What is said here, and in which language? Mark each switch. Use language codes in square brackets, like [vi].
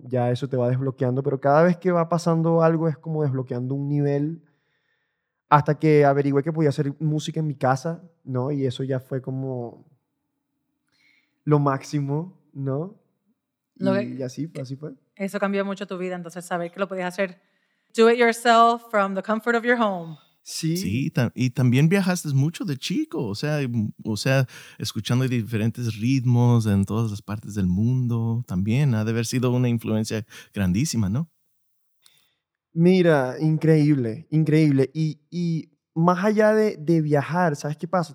[es] Ya eso te va desbloqueando, pero cada vez que va pasando algo es como desbloqueando un nivel hasta que averigüé que podía hacer música en mi casa, ¿no? Y eso ya fue como lo máximo, ¿no? Así fue. Eso cambió mucho tu vida, entonces saber que lo podías hacer. [en] Do it yourself from the comfort of your home. [es] Sí. Sí, y también viajaste mucho de chico, o sea, escuchando diferentes ritmos en todas las partes del mundo, también ha de haber sido una influencia grandísima, ¿no? Mira, increíble. Y más allá de viajar, ¿sabes qué pasa?